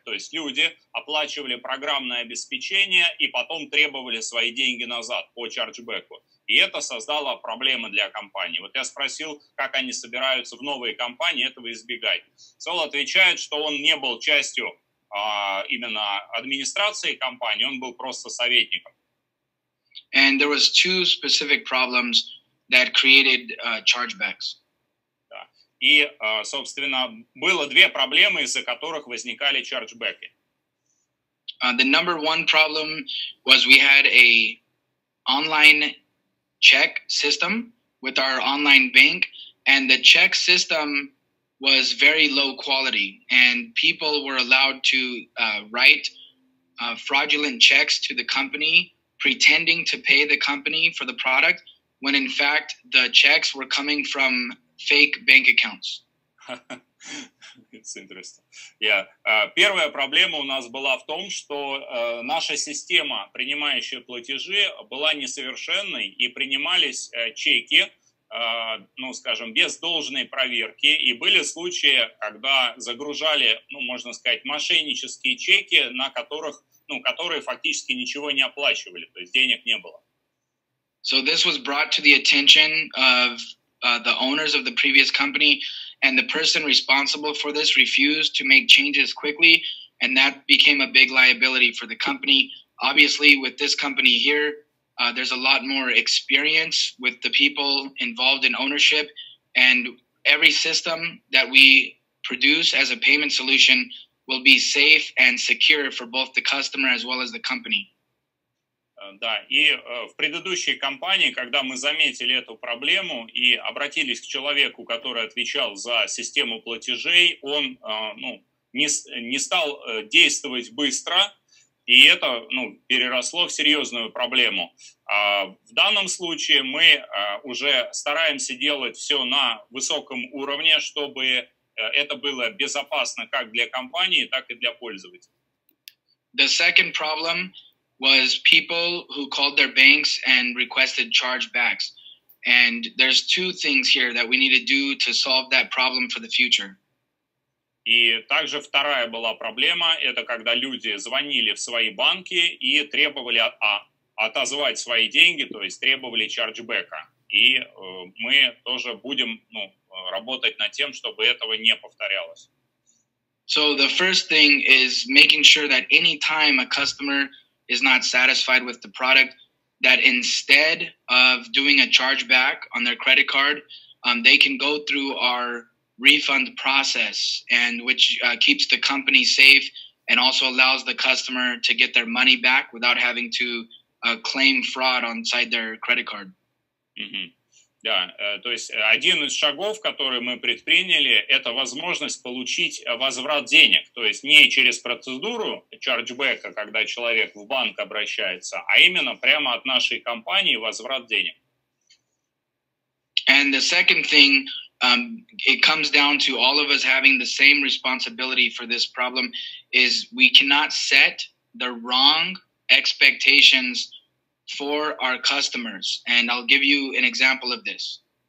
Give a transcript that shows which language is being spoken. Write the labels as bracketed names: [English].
[Russian] То есть люди оплачивали программное обеспечение и потом требовали свои деньги назад по чарджбеку. И это создало проблемы для компании. Вот я спросил, как они собираются в новой компании этого избегать. Сол отвечает, что он не был частью именно администрации компании, он был просто советником. [English] And there was two specific problems that created chargebacks. [Russian] Да. И, собственно, было две проблемы, из-за которых возникали чарджбеки. [English] The number one problem was we had a online check system with our online bank, and the check system was very low quality, and people were allowed to write fraudulent checks to the company, pretending to pay the company for the product, when in fact the checks were coming from fake bank accounts. It's interesting. Yeah. [Russian] Первая проблема у нас была в том, что наша система, принимающая платежи, была несовершенной, и принимались чеки, скажем, без должной проверки, и были случаи, когда загружали, можно сказать, мошеннические чеки, на которых, которые фактически ничего не оплачивали, то есть денег не было. [English] So this was brought to the attention of the owners of the previous company. And the person responsible for this refused to make changes quickly, and that became a big liability for the company. Obviously, with this company here, there's a lot more experience with the people involved in ownership, and every system that we produce as a payment solution will be safe and secure for both the customer as well as the company. [Russian] Да, и в предыдущей компании, когда мы заметили эту проблему и обратились к человеку, который отвечал за систему платежей, он не стал действовать быстро, и это переросло в серьезную проблему. А в данном случае мы уже стараемся делать все на высоком уровне, чтобы это было безопасно как для компании, так и для пользователей. [English] The second problem was people who called their banks and requested chargebacks. And there's two things here that we need to do to solve that problem for the future. [Russian] И также вторая была проблема, это когда люди звонили в свои банки и требовали отозвать свои деньги, то есть требовали чарджбека. И мы тоже будем работать над тем, чтобы этого не повторялось. [English] So the first thing is making sure that any time a customer is not satisfied with the product, that instead of doing a chargeback on their credit card, they can go through our refund process, and which keeps the company safe and also allows the customer to get their money back without having to claim fraud inside their credit card. [Russian] Да, то есть один из шагов, который мы предприняли, это возможность получить возврат денег, то есть не через процедуру чарджбека, когда человек в банк обращается, а именно прямо от нашей компании возврат денег. [English] And the second thing, it comes down to all of us having the same responsibility for this problem, is we cannot set the wrong expectations for our customers, and I'll give you an example of this.